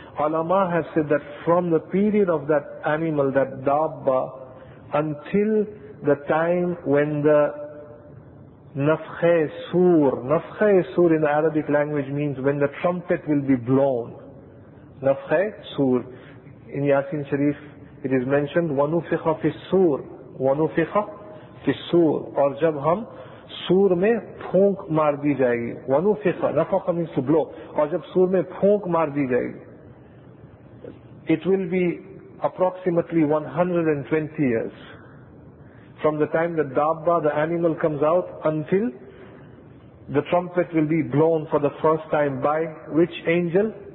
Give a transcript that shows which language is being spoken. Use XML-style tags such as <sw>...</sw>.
<en>Ulama has said that from the period of that animal, that Dabba, until the time when the Nafkha-e-Sur in the Arabic language means when the trumpet will be blown. Nafkha-e-Sur. In Yasin Sharif, it is mentioned,</en> <ar>وَنُفِخَ فِي السُّورِ وَنُفِخَ فِي السُّورِ</ar> <ur>اور جب ہم سور میں پھونک مار دی جائے گی.</ur> <ar>وَنُفِخَ نَفَخَ</ar> <en>means to blow.</en> <ur>اور جب سور میں پھونک مار دی جائے گی.</ur> <en>It will be approximately 120 years. From the time the Dabba, the animal, comes out until the trumpet will be blown for the first time by which angel?</en>